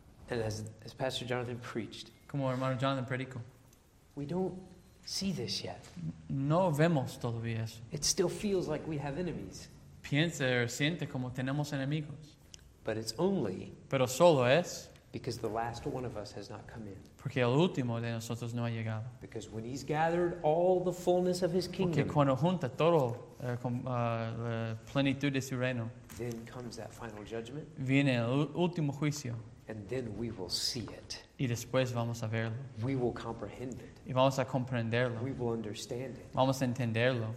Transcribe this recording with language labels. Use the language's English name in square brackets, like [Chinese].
[English] And as Pastor Jonathan preached, [Spanish] como hermano Jonathan predicó, [English] we don't see this yet. [Spanish] No vemos todavía eso. [English] It still feels like we have enemies. [Spanish] Piensa o siente como tenemos enemigos. [English] But it's only [Spanish] pero solo es [English] because the last one of us has not come in. [Spanish] Porque el último de nosotros no ha llegado. [English] Because when he's gathered all the fullness of his kingdom, [Spanish] porque cuando junta todo la plenitud de su reino, [English] then comes that final judgment. [Spanish] Viene el último juicio. [English] And then we will see it. [Spanish] Y después vamos a verlo. [English] We will comprehend it. [Spanish] Y vamos a comprenderlo. [English] We will understand it. [Spanish] Vamos a entenderlo.